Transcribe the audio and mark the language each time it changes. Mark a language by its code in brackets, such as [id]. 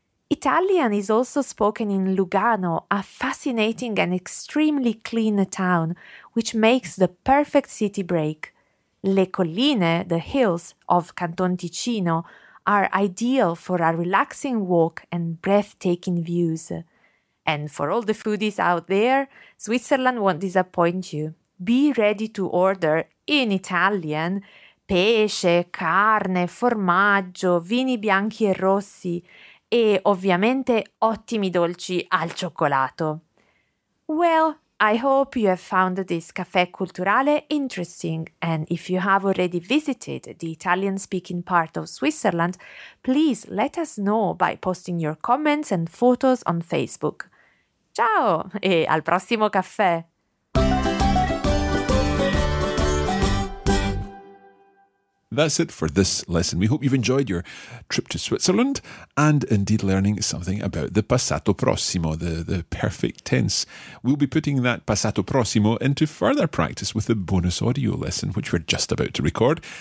[en] Italian is also spoken in Lugano, a fascinating and extremely clean town, which makes the perfect city break. [it] Le colline, [en] the hills, of Canton Ticino are ideal for a relaxing walk and breathtaking views. And for all the foodies out there, Switzerland won't disappoint you. Be ready to order, in Italian, [it] pesce, carne, formaggio, vini bianchi e rossi, e ovviamente ottimi dolci al cioccolato. [en] Well, I hope you have found this caffè culturale interesting, and if you have already visited the Italian-speaking part of Switzerland, please let us know by posting your comments and photos on Facebook. [it] Ciao e al prossimo caffè! [en] That's it for this lesson. We hope you've enjoyed your trip to Switzerland and indeed learning something about the passato prossimo, the perfect tense. We'll be putting that passato prossimo into further practice with the bonus audio lesson, which we're just about to record.